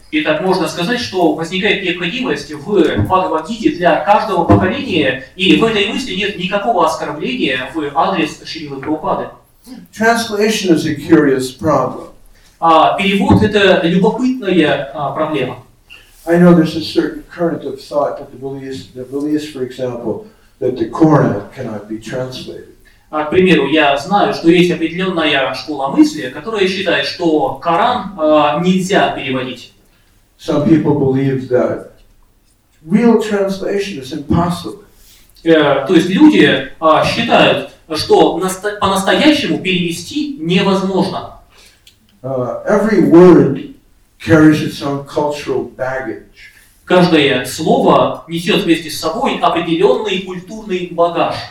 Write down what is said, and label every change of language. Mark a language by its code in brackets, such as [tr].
[ru] И так можно сказать, что возникает необходимость в Бхагавад-гите для каждого поколения, и в этой мысли нет никакого оскорбления в адрес Шрилы Прабхупады. [en] Translation is a curious problem. [ru] А перевод – это любопытная проблема. [en] I know there's a certain current of thought that the beliefs, for example, that the Quran cannot be translated. [ru] К примеру, я знаю, что есть определенная школа мысли, которая считает, что Коран нельзя переводить. [en] Some people believe that real translation is impossible. [ru] То есть люди считают, что по-настоящему перевести невозможно. [en] Every word carries its own cultural baggage. [ru] Каждое слово несет вместе с собой определенный культурный багаж.